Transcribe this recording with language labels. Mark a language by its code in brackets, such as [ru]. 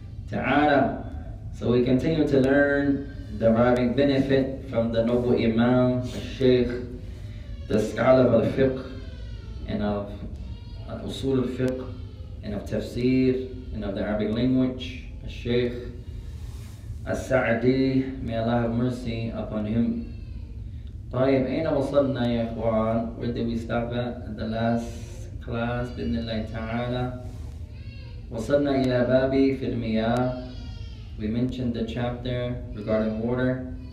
[ar] تعالى [en] So we continue to learn the deriving benefit from the noble Imam, الشيخ, the scholar of al-fiqh and of al-usul al-fiqh and of tafsir and of the Arabic language, الشيخ As-Sa'di, may Allah have mercy upon him. [ar] طيب, أين وصلنا يا إخوان? [en] Where did we stop at the last class, [ar] بإذن الله تعالى? وصلنا إلى بابي في المياه. [en] We mentioned the chapter regarding water.